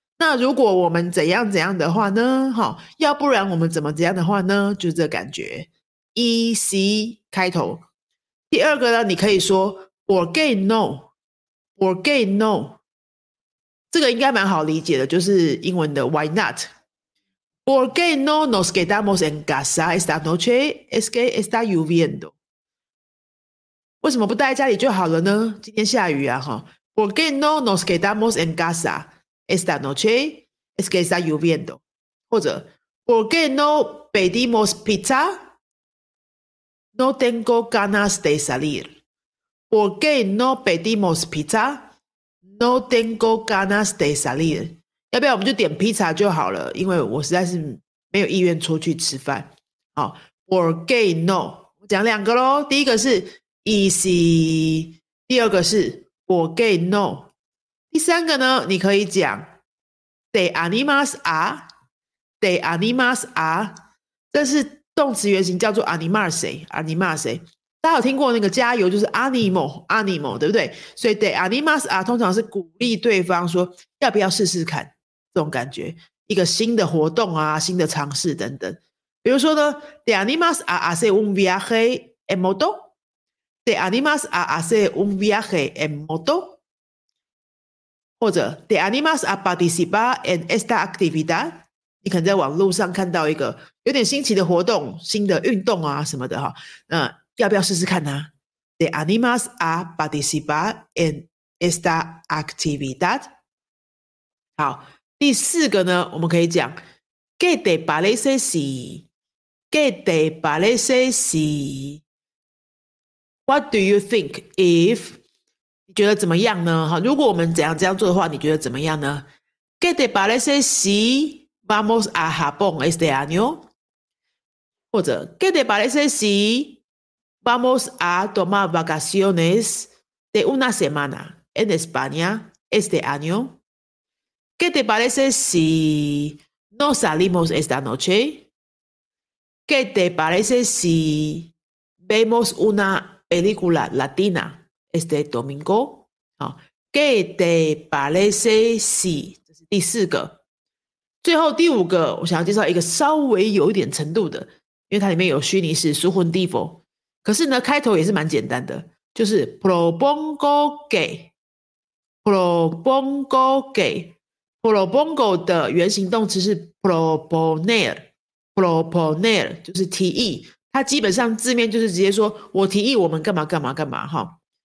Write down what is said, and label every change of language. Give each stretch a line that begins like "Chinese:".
Chinese: 那如果我们怎样怎样的话呢，齁，要不然我们怎么怎样的话呢，就是这感觉
Spanish: y si
Chinese: 开头。第二个呢，你可以说 ,
Spanish: por qué no, por qué no，
Chinese: 这个应该蛮好理解的，就是英文的
English: why not。
Spanish: ¿Por qué no nos quedamos en casa esta noche? Es que está lloviendo.
Chinese: 为什么不待在家里就好了呢？今天下雨啊，哈。
Spanish: ¿Por qué no nos quedamos en casa esta noche? Es que está lloviendo.
Chinese: 或者
Spanish: ¿Por qué no pedimos pizza? No tengo ganas de salir. ¿Por qué no pedimos pizza? No tengo ganas de salir.
Chinese: 要不要我们就点披萨就好了，因为我实在是没有意愿出去吃饭。好
Spanish: ,por qué no?
Chinese: 我讲两个咯，第一个是 easy， 第二个是
Spanish: por qué no。
Chinese: 第三个呢，你可以讲 ,
Spanish: te animas a, te animas a，
Chinese: 这是动词原型叫做 animarse。大家有听过那个加油就是 animo 对不对？所以
Spanish: de animas a
Chinese: 通常是鼓励对方说要不要试试看，这种感觉，一个新的活动啊，新的尝试等等。比如说呢
Spanish: de animas a hacer un viaje en moto， de animas a hacer un viaje en moto，
Chinese: 或者
Spanish: de animas a participar en esta actividad。
Chinese: 你可能在网络上看到一个有点新奇的活动，新的运动啊什么的，要不要试试看呢？
Spanish: ¿Te animas a participar en esta actividad?
Chinese: 好，第四个呢，我们可以讲
Spanish: ¿Qué te parece si? ¿Qué te parece si?
English: What do you think if?
Chinese: 你觉得怎么样呢？如果我们怎样这样做的话，你觉得怎么样呢？
Spanish: ¿Qué te parece si vamos a Japón este año? 或者 ¿Qué te parece si? Vamos a tomar vacaciones de una semana en España este año. ¿Qué te parece si no salimos esta noche? ¿Qué te parece si vemos una película latina este domingo? ¿Qué te parece si?
Chinese: 这是第四个。最后第五个，我想要介绍一个稍微有一点程度的，因为它里面有虚拟式 subjuntivo。可是呢，开头也是蛮简单的，就是
Spanish: propongo que， propongo que，
Chinese: propongo 的原型动词是 proponer， proponer 就是提议，它基本上字面就是直接说我提议我们干嘛干嘛干嘛，哈。